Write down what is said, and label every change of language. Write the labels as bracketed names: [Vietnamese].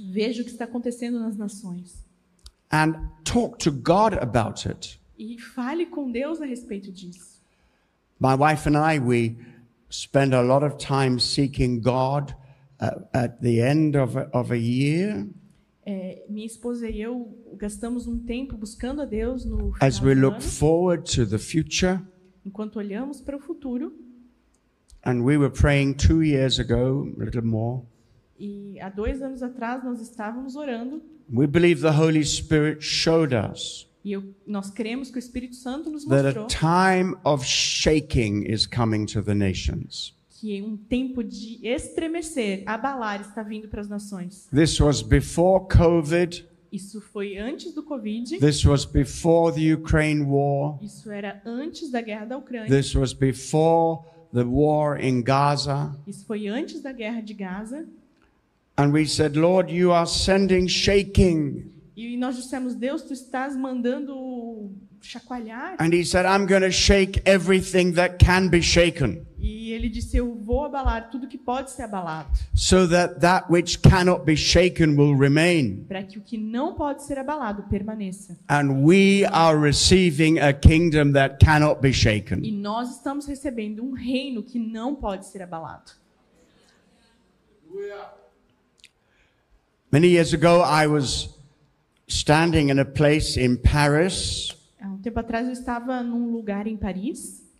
[Portuguese] Veja o que está acontecendo nas nações. [English] And talk to God about it. [Portuguese] E fale com Deus a respeito disso. [English] My wife and I, we spend a lot of time seeking God at the end of a year. [Portuguese] Minha esposa e eu gastamos um tempo buscando a Deus no final [English] As we look [Portuguese] do ano, [English] forward to the future, [Portuguese] enquanto olhamos para o futuro. [English] And we were praying 2 years ago, a little more. [Portuguese] E há 2 anos atrás nós estávamos orando. [English] We believe the Holy Spirit showed us. [Portuguese] E nós cremos que o Espírito Santo nos [English] that [Portuguese] mostrou. [English] A time of shaking is coming to the nations. [Portuguese] Que um tempo de estremecer, abalar, está vindo para as nações. [English] This was before COVID. [Portuguese] Isso foi antes do COVID. [English] This was before the Ukraine war. [Portuguese] Isso era antes da guerra da Ucrânia. [English] This was before the war in Gaza. [Portuguese] Isso foi antes da guerra de Gaza. [English] And we said, Lord, you are sending shaking. [Portuguese] E nós dissemos, Deus, tu estás mandando chacoalhar. [English] And he said, I'm going to shake everything that can be shaken. [Portuguese] E ele disse, eu vou abalar tudo que pode ser abalado. [English] So that that which cannot be shaken will remain. [Portuguese] Para que o que não pode ser abalado permaneça. [English] And we are receiving a kingdom that cannot be shaken. [Portuguese] E nós estamos recebendo um reino que não pode ser abalado. [English] Many years ago I was standing in a place in Paris. [Portuguese] Um tempo atrás eu estava num lugar em Paris.